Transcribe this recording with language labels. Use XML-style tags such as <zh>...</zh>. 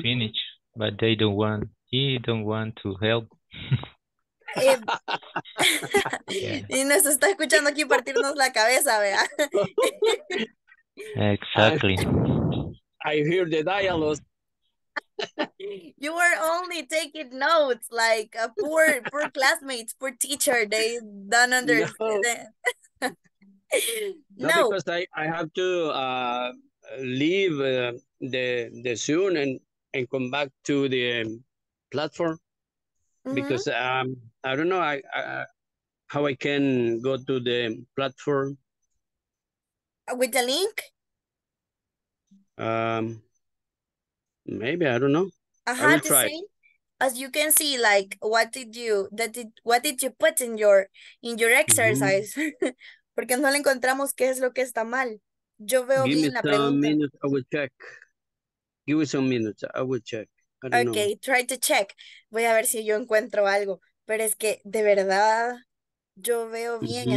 <en>Finish, but they don't want, he don't want to help.</en> <es>Y nos está escuchando aquí partirnos la cabeza, vea.</es> <en>Exactly. I hear the dialogue. You were only taking notes, like a poor classmates, poor teacher. They don't understand. No, because I have to leave the soon and come back to the platform. Because I don't know how I can go to the platform with the link. Maybe I don't know. Uh-huh, I will try. as you can see, like, what did you put in your exercise? Mm-hmm.</en> <es>Porque no le encontramos qué es lo que está mal. Yo veo</es> <en>Give</en> <es>bien la pregunta.</es> <en>Give me some minutes, I will check. Give me some minutes, I will check. I don't okay, know. Try to check.</en> <es>Voy a ver si yo encuentro algo. Pero es que, de verdad, yo veo bien mm-hmm.</es>